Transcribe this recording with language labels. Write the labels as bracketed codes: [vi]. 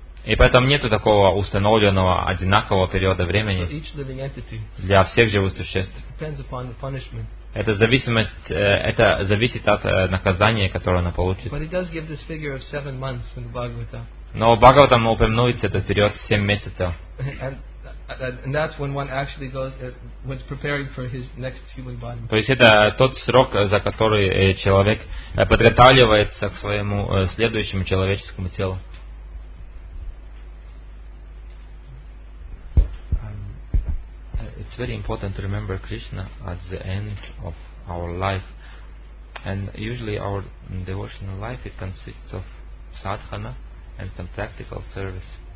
[ru] И поэтому нету такого установленного одинакового периода времени. [en] For each living entity. [ru] Для всех живых существ. [en] Depends upon the punishment. [ru] Это зависимость, это зависит от наказания, которое она получит. Но в Бхагаватам упомянуется этот период 7 месяцев. [en] And that's when one actually goes, when preparing for his next human body. [ru] То есть это тот срок, за который человек подготавливается к своему следующему человеческому телу. [en] It's very important to remember Krishna at the end of our life, and usually our devotional life it consists of sadhana and some practical service.